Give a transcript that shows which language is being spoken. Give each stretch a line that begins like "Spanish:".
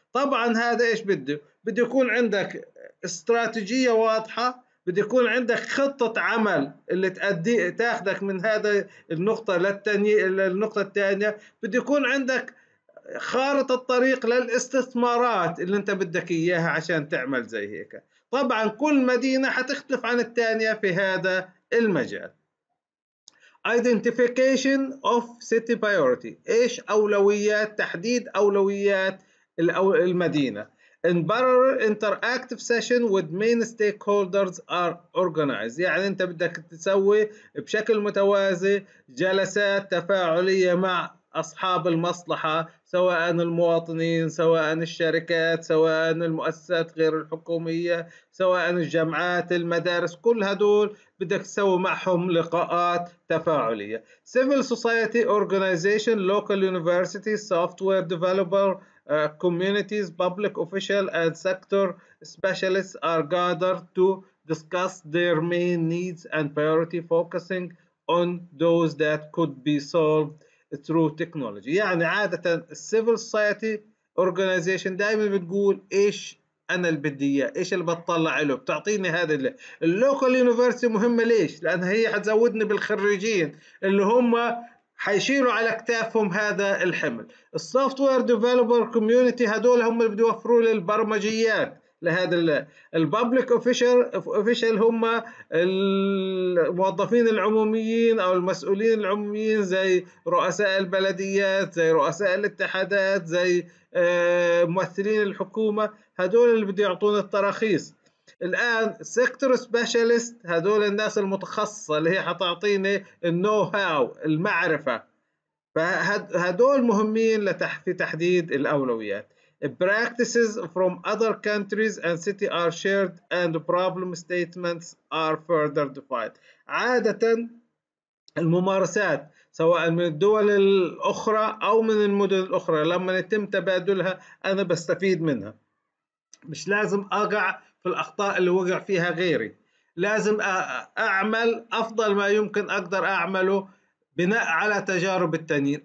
Arabic: طبعا هذا إيش بده؟ بده يكون عندك استراتيجية واضحة، بده يكون عندك خطة عمل اللي تاخذك من هذا النقطة للنقطة الثانية، بده يكون عندك خارطة الطريق للاستثمارات اللي أنت بدك إياها عشان تعمل زي هيك. طبعا كل مدينة حتختلف عن الثانية في هذا المجال. Identification of city priority، إيش أولويات تحديد أولويات المدينة.
English: In parallel, interactive session with main stakeholders are organized.
Arabic: يعني أنت بدك تسوي بشكل متوازي جلسات تفاعلية مع أصحاب المصلحة، سواء المواطنين، سواء الشركات، سواء المؤسسات غير الحكومية، سواء الجامعات، المدارس، كل هدول بدك تسوي معهم لقاءات تفاعلية.
English: Civil society organization, local universities, software developer communities, public official and sector specialists are gathered to discuss their main needs and priority, focusing on those that could be solved through technology.
Arabic: يعني عادة civil society organization دائما بتقول ايش انا اللي بدي اياه، ايش اللي بتطلع له، بتعطيني هذا اللوكال يونيفرستي. مهمة ليش؟ لان هي حتزودني بالخريجين اللي هم حيشيلوا على اكتافهم هذا الحمل. السوفت وير ديفلوبر كوميونتي هذول هم اللي بده يوفروا لي البرمجيات لهذا. الببليك اوفيشال هم الموظفين العموميين او المسؤولين العموميين زي رؤساء البلديات، زي رؤساء الاتحادات، زي ممثلين الحكومه، هذول اللي بده يعطون التراخيص. الان سيكتور سبيشالست هذول الناس المتخصصه اللي هي حتعطيني النو هاو المعرفه، فهذول مهمين في تحديد الاولويات.
English: Practices from other countries and city are shared and problem statements are further defined.
Arabic: عادة الممارسات سواء من الدول الأخرى أو من المدن الأخرى لما يتم تبادلها أنا بستفيد منها، مش لازم أقع في الأخطاء اللي وقع فيها غيري، لازم أعمل أفضل ما يمكن أقدر أعمله بناء على تجارب التانيين.